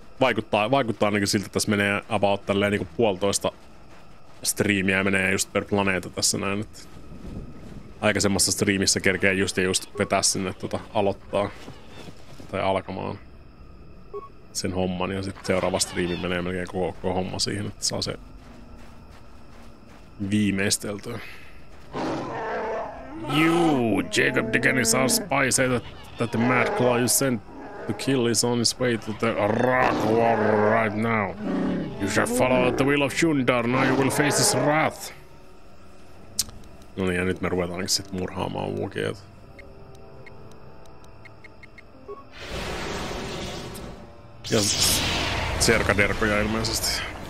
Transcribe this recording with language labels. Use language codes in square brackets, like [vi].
[fi] Vaikuttaa niinku siltä, että tässä menee about tälleen niinku puolitoista striimiä menee just per planeeta tässä näin, että aikaisemmassa striimissä kerkee just ja just vetää sinne tota aloittaa tai alkamaan sen homman ja sitten seuraava striimi menee melkein koko homma siihen, että saa se viimeisteltyä. [en] You, Jacob Degenis, our spy, say that the Mad Claw you sent to kill is on his way to the Rock War right now. You shall follow the will of Shundar, now you will face his wrath. [fi] No niin, ja nyt me ruvetaankin sit murhaamaan Wookieet. Ja serkaderkoja ilmeisesti.